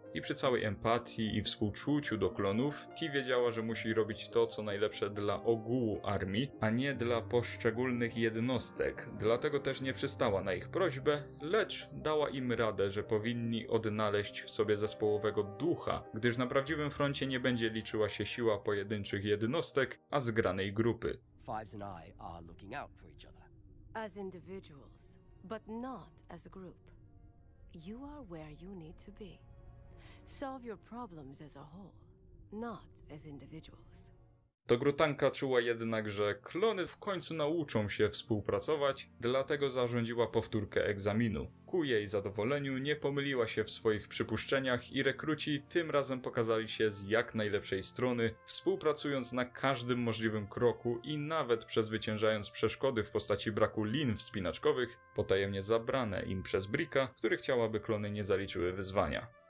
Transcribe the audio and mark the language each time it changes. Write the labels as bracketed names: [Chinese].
[Polish] I przy całej empatii i współczuciu do klonów, T wiedziała, że musi robić to, co najlepsze dla ogółu armii, a nie dla poszczególnych jednostek. Dlatego też nie przystała na ich prośbę, lecz dała im radę, że powinni odnaleźć w sobie zespołowego ducha, gdyż na prawdziwym froncie nie będzie liczyła się siła pojedynczych jednostek, a zgranej grupy. [English] Fives and I are looking out for each other. As individuals, but not as a group. You are where you need to be. Solve your problems as a whole, not as individuals. [Polish] To Grutanka czuła jednak, że klony w końcu nauczą się współpracować, dlatego zarządziła powtórkę egzaminu. Ku jej zadowoleniu nie pomyliła się w swoich przypuszczeniach i rekruci tym razem pokazali się z jak najlepszej strony, współpracując na każdym możliwym kroku i nawet przezwyciężając przeszkody w postaci braku lin wspinaczkowych, potajemnie zabrane im przez Brika, który chciał, aby klony nie zaliczyły wyzwania.